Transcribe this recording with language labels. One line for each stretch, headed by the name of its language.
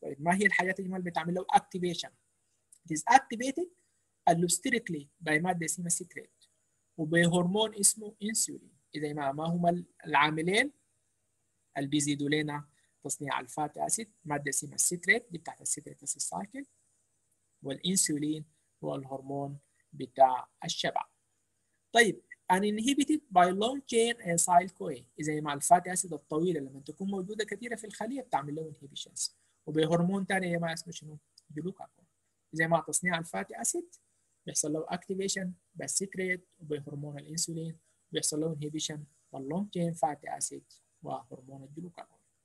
Arabic: طيب ما هي الحاجات اللي بتعمل له اكتيفيشن؟ It is activated allosterically by مادة اسمها سيترات وبهرمون اسمه انسولين. إذا ما هما العاملين اللي بيزيدوا لنا تصنيع الفات أسيد؟ مادة اسمها السيترات دي بتاعت السيترات أسيد سايكل، والانسولين هو الهرمون بتاع الشبع.
English: طيب an inhibited by long chain acyl CoA.
Arabic: إذا مع الفات أسيد الطويلة لما تكون موجودة كثيرة في الخلية بتعمل له inhibitions، وبهرمون تاني يا جماعة اسمه شنو؟ جلوكاكون. زي ما تصنيع الفاتي اسيد بيحصل له اكتيفيشن بالسيكريت وبهرمون الانسولين، بيحصل له انهيبيشن باللونج تشين فاتي اسيد وهرمون الجلوكاجون.